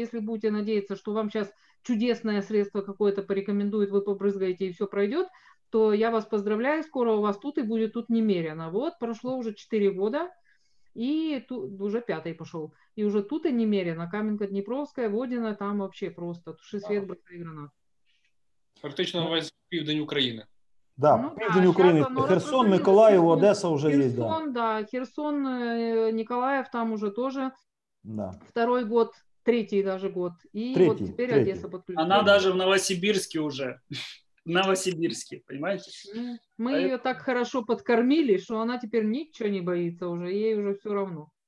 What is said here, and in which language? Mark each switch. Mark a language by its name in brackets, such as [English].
[Russian] Если будете надеяться, что вам сейчас чудесное средство какое-то порекомендует, вы побрызгаете и все пройдет, то я вас поздравляю, скоро у вас тут и будет тут немерено. Вот, прошло уже 4 года, и тут уже 5-й пошел. И уже тут и немерено. Каменка Днепровская, Водина, там вообще просто. Туши свет, проиграно. [Ukrainian] Фактично, у вас південь Украины. [Russian] Да, ну, південь Украины. Херсон, Миколаев, Одесса уже Херсон, есть. Херсон, да. Херсон, Николаев там уже тоже. Да. Второй год, третий даже год. И третий, вот теперь третий. Одесса подключена. Она даже в Новосибирске уже. Новосибирске, понимаете? Мы ее так хорошо подкормили, что она теперь ничего не боится уже, ей уже все равно.